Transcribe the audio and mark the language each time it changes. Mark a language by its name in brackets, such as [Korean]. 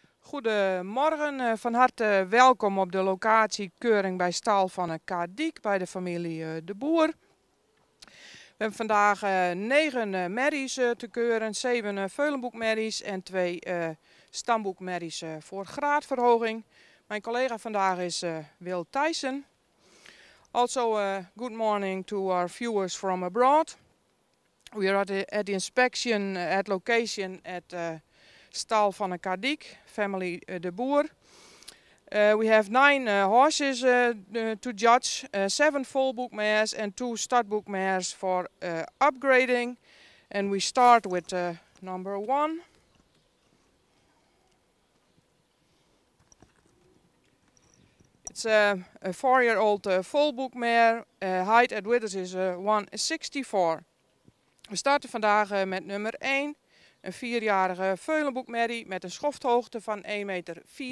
[Dutch] Goedemorgen, van harte welkom op de locatie Keuring bij Stal van Kadiek bij de familie De Boer. We hebben vandaag 9 merries te keuren, 7 veulenboekmerries en 2 stamboekmerries voor graadverhoging. Mijn collega vandaag is Will Tyson. [English] Also, good morning to our viewers from abroad. We are at the inspection at location at Stal van Kadiek, family De Boer. We have 9 horses to judge, 7 full book mares and 2 stud book mares for upgrading. And we start with number 1. It's a 4-year-old full book mare, height and width is 164. [Dutch] We starten vandaag met nummer 1, een 4-jarige veulenboekmerrie met een schofthoogte van 1,64 meter.